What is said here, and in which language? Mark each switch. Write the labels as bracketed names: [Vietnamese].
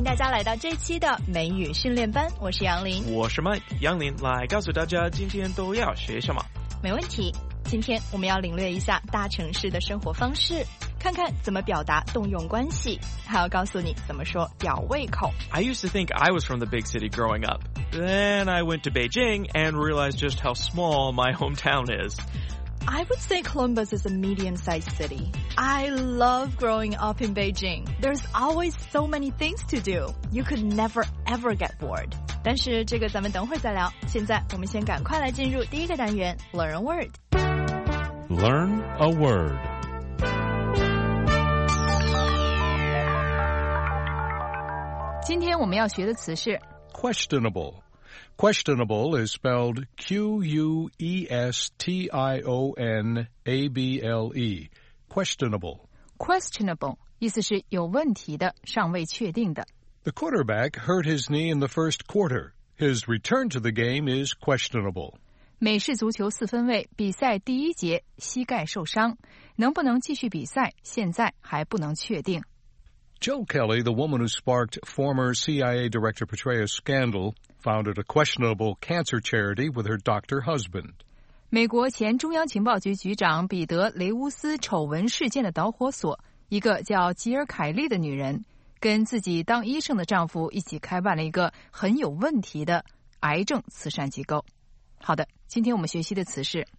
[Chinese] 来到这期的美语训练班，我是杨林。我是 Mike， 杨林来告诉大家今天都要学什么。没问题，今天我们要领略一下大城市的生活方式，看看怎么表达动用关系，还要告诉你怎么说吊胃口。 [English] I used to think I was from the big city growing up. Then I went to Beijing and realized just how small my hometown is. I would say Columbus is a medium-sized city. I love growing up in Beijing. There's always so many things to do. You could never, ever get bored. [Chinese] 但是这个咱们等会儿再聊。现在我们先赶快来进入第一个单元 [English] Learn a Word. Learn a Word. Today we're going to learn the word questionable. Questionable is spelled Q-U-E-S-T-I-O-N-A-B-L-E. Questionable. [Chinese] Questionable, 意思是有问题的，尚未确定的。 [English] The quarterback hurt his knee in the first quarter. His return to the game is questionable. [Chinese] 美式足球四分卫比赛第一节膝盖受伤，能不能继续比赛，现在还不能确定。 [English] Jill Kelly, the woman who sparked former CIA Director Petraeus' scandal, founded a questionable cancer charity with her doctor husband. [Chinese] 美国前中央情报局局长彼得·雷乌斯丑闻事件的导火索，一个叫吉尔·凯利的女人，跟自己当医生的丈夫一起开办了一个很有问题的癌症慈善机构。好的，今天我们学习的词是